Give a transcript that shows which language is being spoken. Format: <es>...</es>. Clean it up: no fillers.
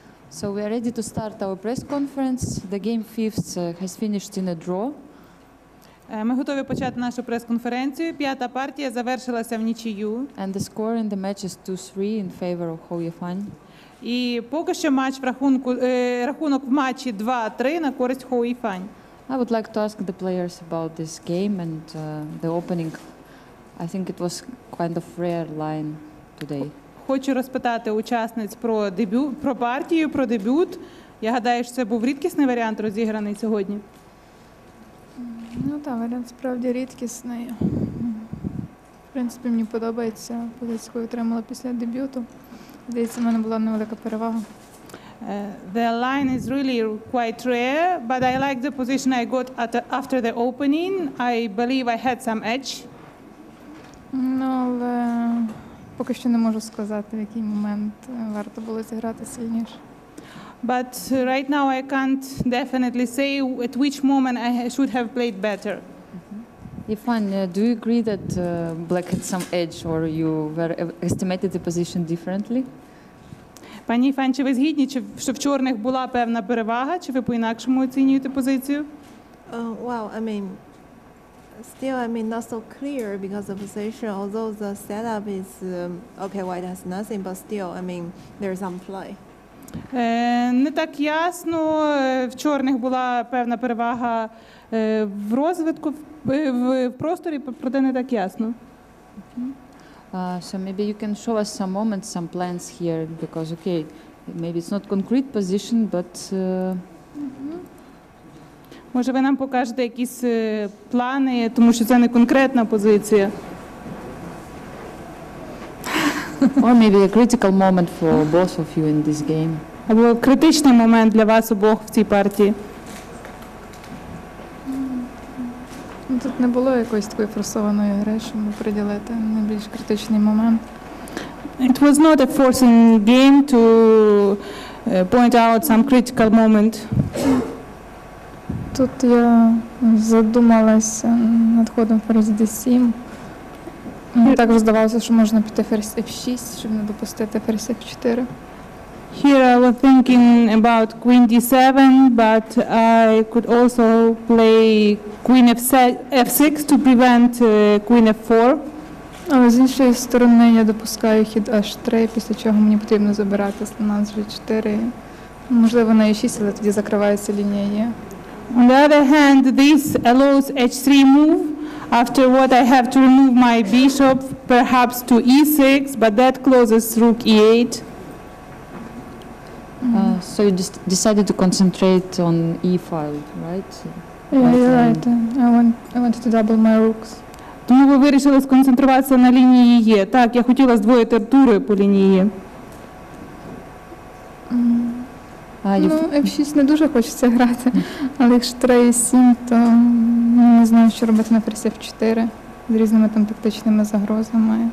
<en>So we are ready to start our press conference. The game fifth has finished in a draw.</en> <uk>Ми готові почати нашу прес-конференцію. П'ята партія завершилася в нічию.</uk> <en>And the score in the match is 2-3 in favor of Hou Yifan.</en> <uk>І поки що матч в рахунку рахунок в матчі 2-3 на користь Hou Yifan.</uk> <en>I would like to ask the players about this game and the opening. I think it was kind of rare line today.</en> <uk>Хочу розпитати учасниць про дебют, про партію, про дебют. Я гадаю, що це був рідкісний варіант, розіграний сьогодні. Ну так, варіант справді рідкісний. В принципі, мені подобається позиція, яку отримала після дебюту. Здається, в мене була невелика перевага.</uk> <en>The line is really quite rare, but I like the position I got after the opening. I believe I had some edge.</en> <uk>Ну, але... Поки що не можу сказати, в який момент варто було зіграти сильніше.</uk> <en>But right now I can't definitely say at which moment I should have played better. Yifan, do you agree that Black had some edge or you were estimated the position differently?</en> <uk>Пані Yifan, чи ви згідні, що в чорних була певна перевага, чи ви по-інакшому оцінюєте позицію?</uk> <en>Still, not so clear because the position, although the setup is okay, white has nothing, but still, there's some play.</en> <uk>Не так ясно. В чорних була певна перевага в розвитку, в просторі, проте не так ясно.</uk> <en>So maybe you can show us some moments, some plans here, because, okay, maybe it's not concrete position, but...</en> <uk>Може, ви нам покажете якісь плани, тому що це не конкретна позиція.</uk> <en>Or maybe a critical moment for both of you in this game.</en> <uk>Або критичний момент для вас обох в цій партії. Тут не було якоїсь такої форсованої гри, щоб приділити найбільш критичний момент.</uk> <en>It was not a forcing game to point out some critical moment.</en> <uk>Тут я задумалася над ходом ферзь d7. Мені також здавалося, що можна піти ферзь f6, щоб не допустити ферзь f4.</uk> <en>Here I was thinking about queen d7, but I could also play queen f6 to prevent queen f4.</en> <uk>Але з іншої сторони я допускаю хід h3, після чого мені потрібно забирати слона з g4. Можливо, на e6, але тоді закривається лінія Е.</uk> <en>On the other hand, this allows h3 move. After what I have to remove my bishop, perhaps to e6, but that closes rook e8. So you just decided to concentrate on e5, right? Yeah, you're right. I wanted to double my rooks.</en> <uk>Тому ви вирішили сконцентруватися на лінії Е. Так, я хотіла здвоїти артури по лінії. Ну, F6 не дуже хочеться грати, але якщо 3-7, то не знаю, що робити на ферзі F4 з різними там тактичними загрозами.</uk>